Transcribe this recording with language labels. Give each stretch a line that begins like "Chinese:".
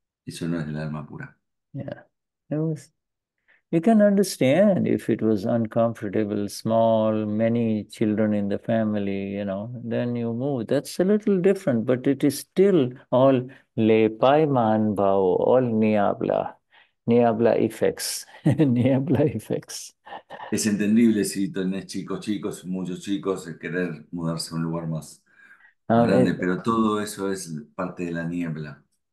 Spanish: Eso no es el alma pura.
English: Yeah. It was, you can understand if it was uncomfortable, small, many children in the family, you know, then you move. That's a little different, but it is still all le pai man bao, all niabla. Niabla effects. Niabla effects.
Spanish: Es entendible si tenés chicos, chicos, muchos chicos, querer mudarse a un lugar más grande, pero todo eso es parte de la niebla.